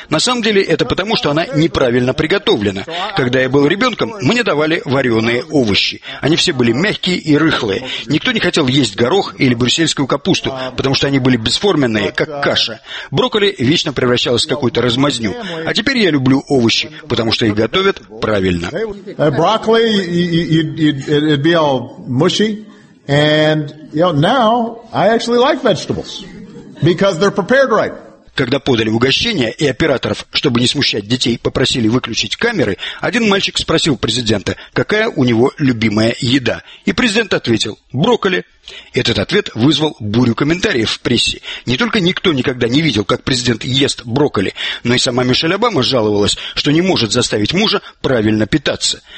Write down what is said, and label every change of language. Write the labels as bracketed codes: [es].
[ru] На самом деле это потому, что она неправильно приготовлена. Когда я был ребенком, мне давали вареные овощи. Они все были мягкие и рыхлые. Никто не хотел есть горох или брюссельскую капусту, потому что они были бесформенные, как каша. Брокколи вечно превращалось в какую-то размазню. А теперь я люблю овощи, потому что их готовят правильно. [en] Брокколи, it'd be all mushy. And, you know, now I actually like vegetables. Because they're prepared right. [ru] Когда подали угощение и операторов, чтобы не смущать детей, попросили выключить камеры, один мальчик спросил президента, какая у него любимая еда. И президент ответил – брокколи. Этот ответ вызвал бурю комментариев в прессе. Не только никто никогда не видел, как президент ест брокколи, но и сама Мишель Обама жаловалась, что не может заставить мужа правильно питаться.